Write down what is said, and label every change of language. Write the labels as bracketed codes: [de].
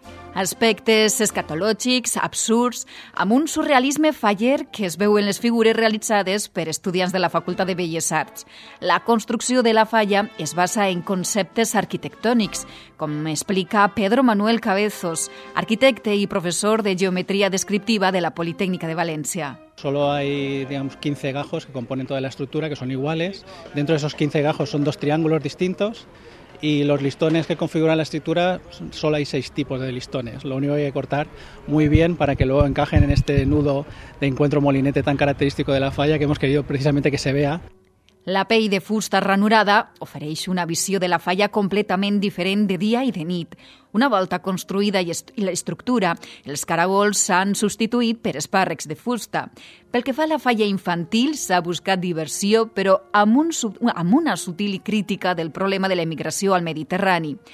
[ca] Aspectes escatològics, absurds, amb un surrealisme faller que es veu en les figures realitzades per estudiants de la Facultat de Belles Arts. La construcció de la falla es basa en conceptes arquitectònics, com explica Pedro Manuel Cabezos, arquitecte i professor de Geometria Descriptiva de la Politécnica de València. [es] Solo hay, digamos, 15 gajos que componen toda la estructura, que son iguales. Dentro de esos 15 gajos son dos triángulos distintos. Y los listones que configuran la estructura, solo hay 6 tipos de listones. Lo único que hay que cortar muy bien para que luego encajen en este nudo de encuentro molinete tan característico de la falla que hemos querido precisamente que se vea. [ca] La pell de fusta ranurada ofereix una visió de la falla completament diferent de dia i de nit. Una volta construïda i l'estructura, els caragols s'han substituït per espàrrecs de fusta. Pel que fa a la falla infantil, s'ha buscat diversió, però amb una sutil crítica del problema de l'emigració al Mediterrani.